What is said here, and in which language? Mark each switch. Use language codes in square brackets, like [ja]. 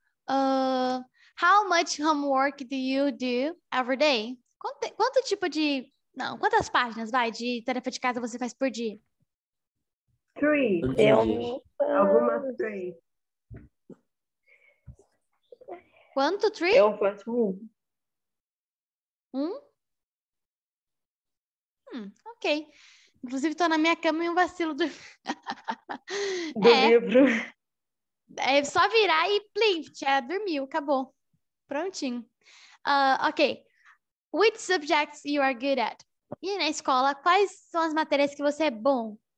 [en] How much homework do you do every day? [pt] Quanto tipo de... Não, quantas páginas, vai, de tarefa de casa você faz por dia? Three. Algumas três. Quanto, three? Eu faço um. Ok. Inclusive, tô na minha cama e um vacilo do... livro. É só virar e plim, já dormiu, acabou. Prontinho. [en] Ok. Which subjects you are good at? [pt] E na escola, quais são as matérias que você é bom?